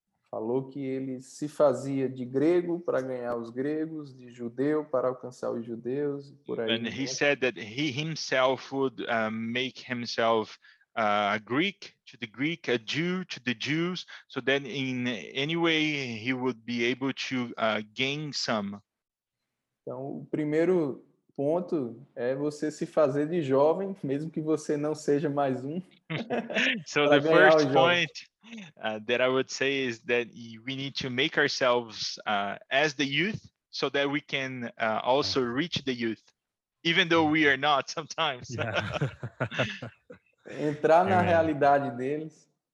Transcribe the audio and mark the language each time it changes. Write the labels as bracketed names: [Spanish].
[Portuguese] falou que ele se fazia de grego para ganhar os gregos, de judeu para alcançar os judeus, por aí. [English] And he said that he himself would make himself a Greek to the Greek, a Jew to the Jews, so that in any way he would be able to gain some. [Portuguese] Então, o primeiro ponto é você se fazer de jovem, mesmo que você não seja mais um. [English] So the first point that I would say is that we need to make ourselves as the youth so that we can also reach the youth, even though we are not sometimes. [Portuguese] Yeah. Entrar na realidade deles.